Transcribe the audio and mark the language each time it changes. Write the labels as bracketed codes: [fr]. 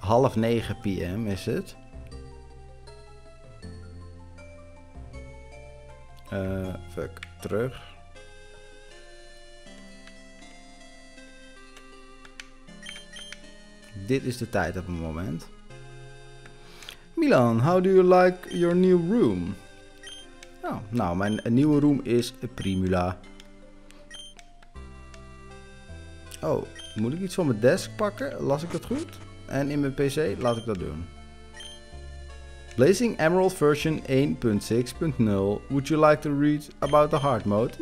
[nl] 8:30 PM is het. Fuck, terug. Dit is de tijd op het moment. [en] Milan, how do you like your new room? [nl] Oh, nou, mijn nieuwe room is Primula. Oh, moet ik iets van mijn desk pakken? Las ik dat goed? En in mijn PC laat ik dat doen. [en] Blazing Emerald version 1.6.0. Would you like to read about the hard mode?